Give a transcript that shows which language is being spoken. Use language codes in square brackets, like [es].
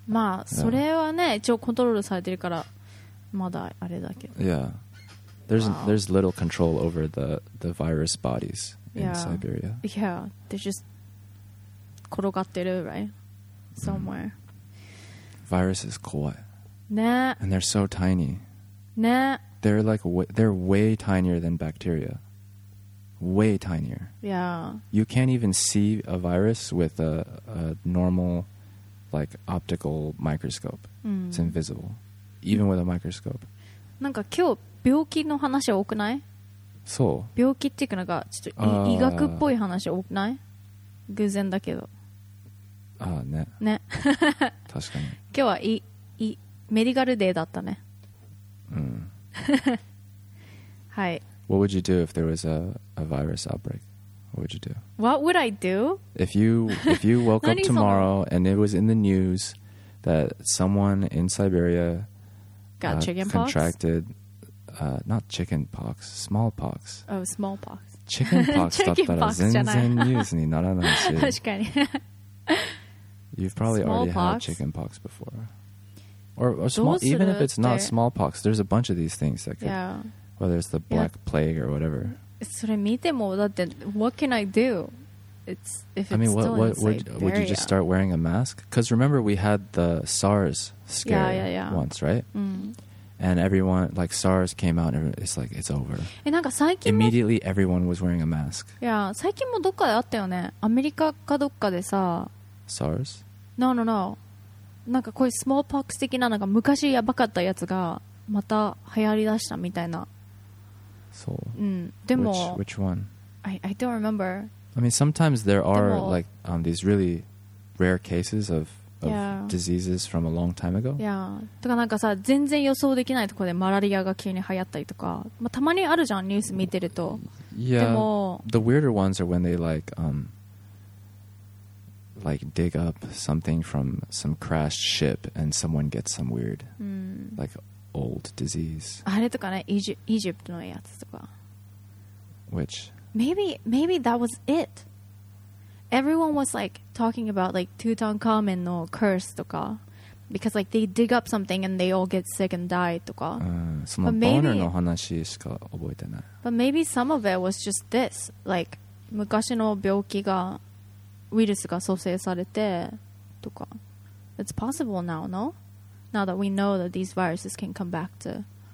[ja] まあ、それはね、一応コントロールされてるから、まだあれだけど。 [en] Yeah. There's little control over the virus bodies in Siberia. Yeah, they're just [ja] 転がってる, [en] right? Somewhere. Virus is [ja] 怖い。ね。 [en] And they're so tiny. [ja] ね。 [en] They're like, they're way tinier than bacteria. Way tinier. Yeah. You can't even see a virus with a normal, like, optical microscope. Mm. It's invisible. Even with a microscope. [ja] なんか今日病気の話多くない? そう。病気っていうかなんかちょっと医学っぽい話多くない? 偶然だけど。ああね。ね。確かに。今日はメディカルデーだったね。うん。はい。 [en] What would you do if there was a virus outbreak? What would you do? What would I do? If you woke up tomorrow and it was in the news that someone in Siberia got chicken contracted not chicken pox, smallpox. Oh, smallpox. [ja] Chicken pox だったら全然ニュースにならないし。確かに。 [en] You've probably already had chicken pox before. Or small, even if it's not smallpox, there's a bunch of these things that could... Yeah. Whether it's the black plague or whatever. [ja] それ見てもだって [en] what can I do? It's if it's still in Siberia. Would you just start wearing a mask? Because remember we had the SARS scare once, right? Mm. And everyone, like SARS came out and it's like, it's over. [ja] え、なんか最近も [en] immediately everyone was wearing a mask. [ja] Yeah, 最近もどっかであったよね。アメリカかどっかでさ。 [en] SARS? No. [ja] なんかこういう smallpox 的ななんか昔やばかったやつがまた流行りだしたみたいな。そう。うん。でも、 [en] which one? I don't remember. I mean, sometimes there are like these really rare cases of diseases from a long time ago. Yeah. [ja] とかなんかさ、全然予想できないところでマラリアが急に流行ったりとか、まあ、たまにあるじゃん、ニュース見てると。 [en] Yeah. [ja] でも、 [en] the weirder ones are when they like dig up something from some crashed ship and someone gets some weird. Like. Old disease. [ja] あれとかね、Egypt のやつとか。 [en] Which? Maybe that was it. Everyone was like talking about like Tutankhamun の curse とか。 Because like they dig up something and they all get sick and die とか。 [ja] そのボーナーの話しか覚えてない。 [en] But maybe some of it was just this. [ja] Like 昔の病気が、ウイルスが蘇生されてとか。 [en] It's possible now, no? Now that we know that these viruses can come back to...